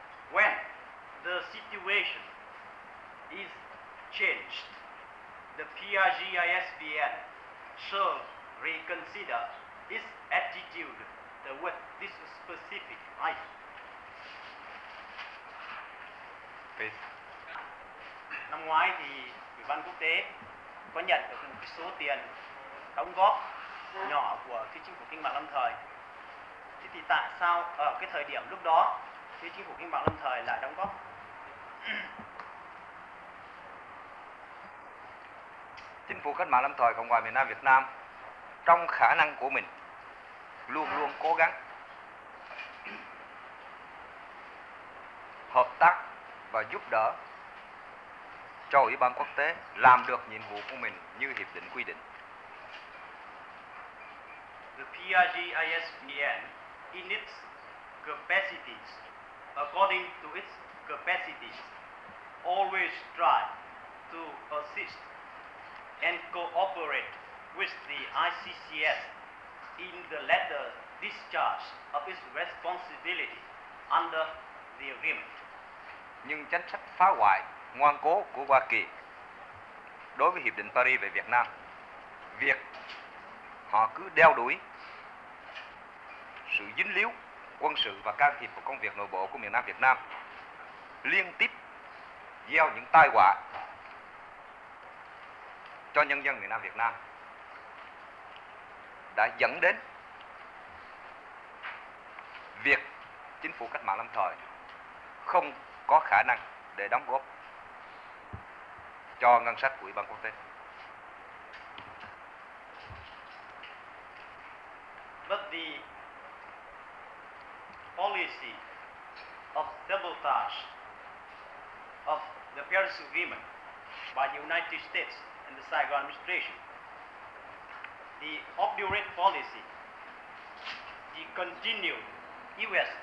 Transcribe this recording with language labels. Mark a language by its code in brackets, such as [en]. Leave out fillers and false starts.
[en] When the situation is changed, the PRG-ISVN shall reconsider its attitude toward this specific item. Please. [vi] Năm ngoái thì Ủy ban quốc tế có nhận được một số tiền đóng góp nhỏ của cái chính phủ kinh mạng lâm thời. Thế thì tại sao ở cái thời điểm lúc đó cái chính phủ kinh mạng lâm thời lại đóng góp? Chính phủ cách mạng lâm thời Cộng hòa miền Nam Việt Nam trong khả năng của mình luôn luôn cố gắng hợp tác và giúp đỡ cho ủy ban quốc tế làm được nhiệm vụ của mình như hiệp định quy định. [en] The PRG-ISVN, in its capacities, according to its capacities, always try to assist and cooperate with the ICCS in the latter discharge of its responsibility under the agreement. [vi] Nhưng chính sách phá hoại ngoan cố của Hoa Kỳ đối với Hiệp định Paris về Việt Nam, việc họ cứ đeo đuổi sự dính líu quân sự và can thiệp vào công việc nội bộ của miền Nam Việt Nam, liên tiếp gieo những tai họa cho nhân dân miền Nam Việt Nam, đã dẫn đến việc chính phủ cách mạng lâm thời không có khả năng để đóng góp cho ngân sách của Ủy ban quốc tế. [en] But the policy of sabotage of the Paris Agreement by the United States and the Saigon administration, the obdurate policy, the continued U.S.